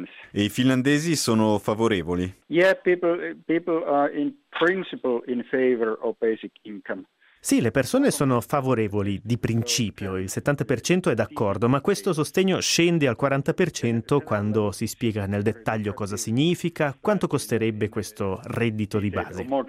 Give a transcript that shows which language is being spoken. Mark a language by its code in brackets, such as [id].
[it] E i finlandesi sono favorevoli? [en] People are in principle in favor of basic income. [it] Sì, le persone sono favorevoli di principio, il 70% è d'accordo, ma questo sostegno scende al 40% quando si spiega nel dettaglio cosa significa, quanto costerebbe questo reddito di base.